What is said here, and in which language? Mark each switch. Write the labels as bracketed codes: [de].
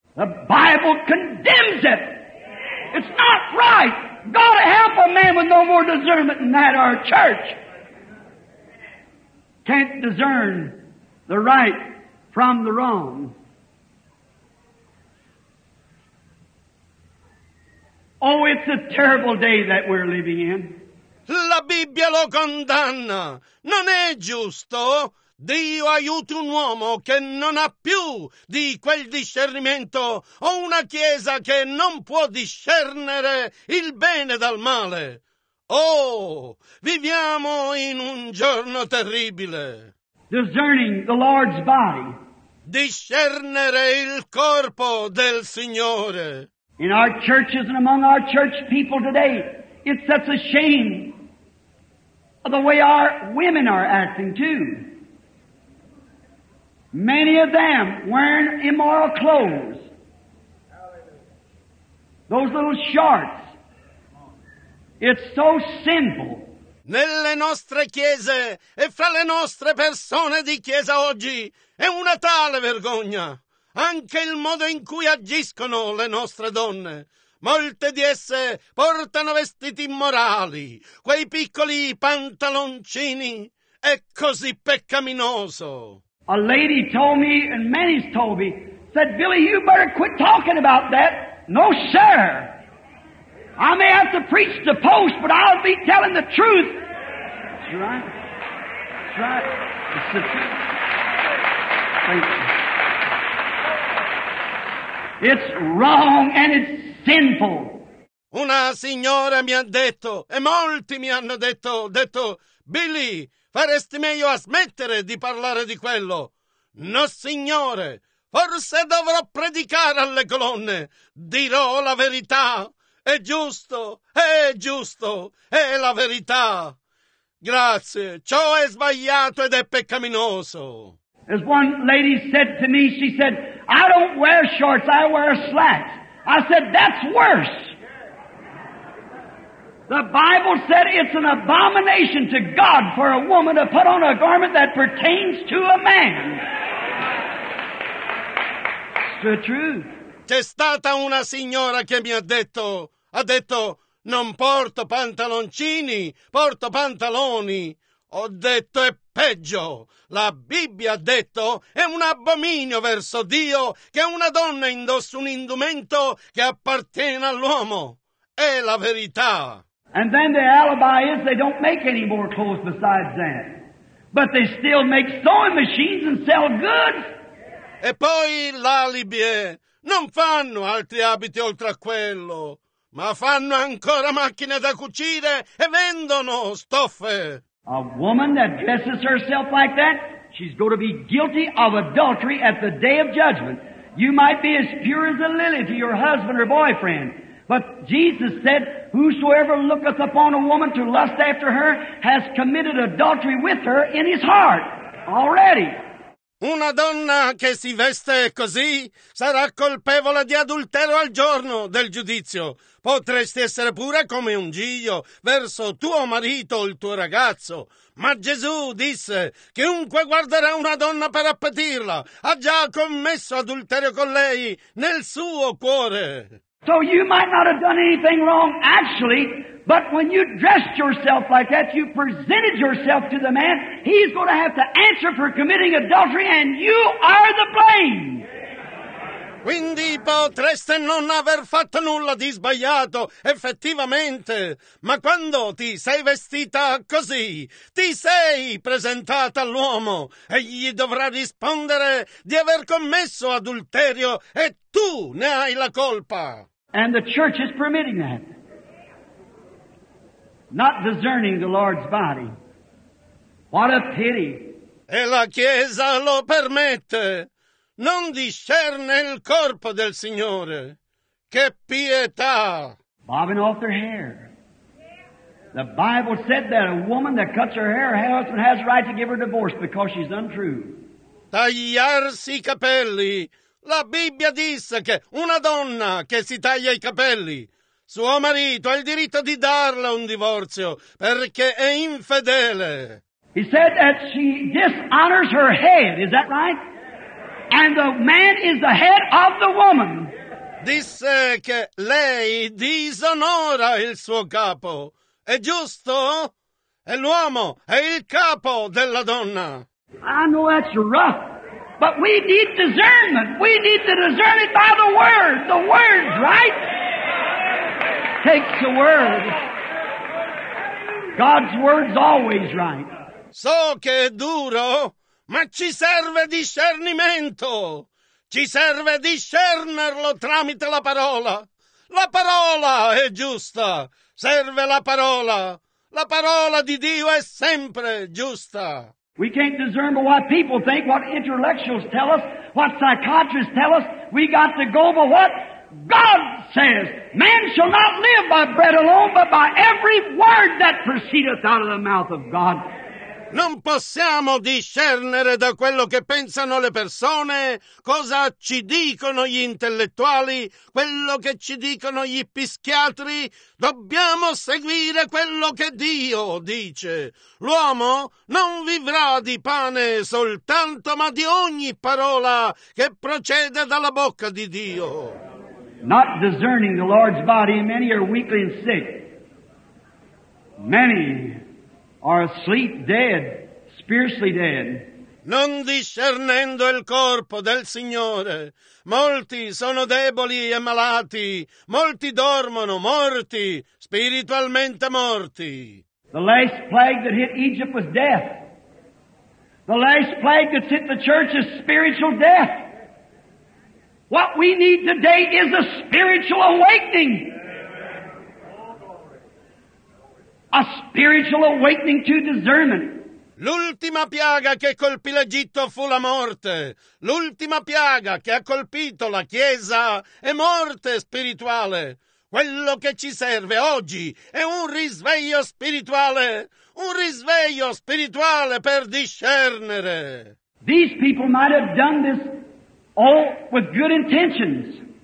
[en] The Bible condemns it. It's not right. God help a man with no more discernment than that, our church. Can't discern the right from the wrong. Oh, it's a terrible day that we're living in. [it] La Bibbia lo condanna. Non è giusto. Dio aiuti un uomo che non ha più di quel discernimento o una chiesa che non può discernere il bene dal male. Oh, viviamo in un giorno terribile. [en] Discerning the Lord's body. [it] Discernere il corpo del Signore. [en] In our churches and among our church people today, it's such a shame of the way our women are acting too. Many of them wearing immoral clothes. Those little shorts. It's so simple. [it] Nelle nostre chiese e fra le nostre persone di chiesa oggi è una tale vergogna. Anche il modo in cui agiscono le nostre donne. Molte di esse portano vestiti immorali, quei piccoli pantaloncini. È così peccaminoso. [en] A lady told me, and many's told me, said, Billy, you better quit talking about that. No, sir. I may have to preach the post, but I'll be telling the truth. That's right. That's right. That's the truth. Thank you. It's wrong and it's sinful. [it] Una signora mi ha detto, e molti mi hanno detto, Billy, faresti meglio a smettere di parlare di quello. No, signore, forse dovrò predicare alle colonne. Dirò la verità. È giusto, è giusto, è la verità. Grazie, ciò è sbagliato ed è peccaminoso. [en] As one lady said to me, she said, I don't wear shorts, I wear slacks. I said, that's worse. The Bible said it's an abomination to God for a woman to put on a garment that pertains to a man. It's the truth. [it] C'è stata una signora che mi ha detto, non porto pantaloncini, porto pantaloni. Ho detto, è peggio. La Bibbia ha detto, è un abominio verso Dio che una donna indossi un indumento che appartiene all'uomo. È la verità. [en] And then the alibi is they don't make any more clothes besides that. But they still make sewing machines and sell goods. [it] E poi l'alibi è, non fanno altri abiti oltre a quello. Ma fanno ancora macchine da cucire e vendono stoffe. [en] A woman that dresses herself like that, she's going to be guilty of adultery at the day of judgment. You might be as pure as a lily to your husband or boyfriend, but Jesus said, whosoever looketh upon a woman to lust after her has committed adultery with her in his heart. already. [it] Una donna che si veste così sarà colpevole di adulterio al giorno del giudizio. Potresti essere pure come un giglio verso tuo marito o il tuo ragazzo. Ma Gesù disse: chiunque guarderà una donna per appetirla ha già commesso adulterio con lei nel suo cuore. [en] So you might not have done anything wrong actually, but when you dressed yourself like that, you presented yourself to the man, he's going to have to answer for committing adultery, and you are the blame. [it] Quindi potreste non aver fatto nulla di sbagliato, effettivamente, ma quando ti sei vestita così, ti sei presentata all'uomo e gli dovrà rispondere di aver commesso adulterio e tu ne hai la colpa. [en] And the church is permitting that. Not discerning the Lord's body. What a pity. [it] E la Chiesa lo permette. Non discerne il corpo del Signore. Che pietà! [en] Bobbing off their hair. The Bible said that a woman that cuts her hair, her husband has the right to give her divorce because she's untrue. [it] Tagliarsi i capelli. La Bibbia disse che una donna che si taglia i capelli, suo marito ha il diritto di darle un divorzio perché è infedele. [en] He said that she dishonors her head, is that right? And the man is the head of the woman. [it] Disse che lei disonora il suo capo. È giusto? E l'uomo è il capo della donna. [en] I know that's rough, but we need discernment. We need to discern it by the word. The word, right? Take the word. God's word's always right. [it] So che è duro. Ma ci serve discernimento, ci serve discernerlo tramite la parola. La parola è giusta, serve la parola di Dio è sempre giusta. [en] We can't discern by what people think, what intellectuals tell us, what psychiatrists tell us. We got to go by what God says. Man shall not live by bread alone, but by every word that proceedeth out of the mouth of God. [it] Non possiamo discernere da quello che pensano le persone, cosa ci dicono gli intellettuali, quello che ci dicono gli psichiatri. Dobbiamo seguire quello che Dio dice. L'uomo non vivrà di pane soltanto, ma di ogni parola che procede dalla bocca di Dio. [en] Not discerning the Lord's body, many are weakly and sick. Many are asleep, dead, spiritually dead. [it] Non discernendo il corpo del Signore, molti sono deboli e malati, molti dormono morti, spiritualmente morti. [en] The last plague that hit Egypt was death. The last plague that hit the church is spiritual death. What we need today is a spiritual awakening. A spiritual awakening to discernment. [it] L'ultima piaga che colpì l'Egitto fu la morte. L'ultima piaga che ha colpito la Chiesa è morte spirituale. Quello che ci serve oggi è un risveglio spirituale. Un risveglio spirituale per discernere. [en] These people might have done this all with good intentions.